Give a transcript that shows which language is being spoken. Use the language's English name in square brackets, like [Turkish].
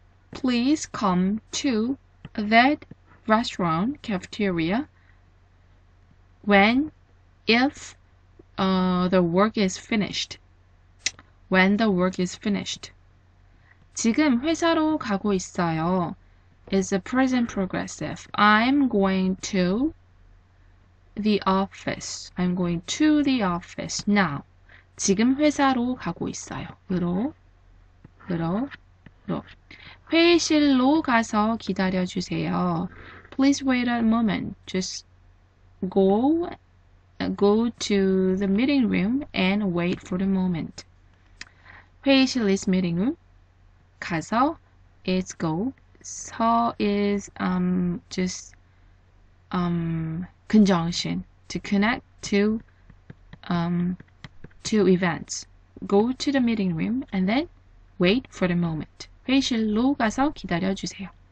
[English] Please come to that restaurant, cafeteria, when the work is finished. [Korean] 지금 회사로 가고 있어요. [English] It's a present progressive. I'm going to the office now. [Korean] 지금 회사로 가고 있어요. 으로. 회의실로 가서 기다려 주세요. [English] Please wait a moment. Just go to the meeting room and wait for the moment. [Korean] 회의실 [English] is meeting room. [Korean] 가서 [English] is go. So is just conjunction to connect to events. Go to the meeting room and then wait for the moment. [Korean] 회의실로 가서 기다려 주세요.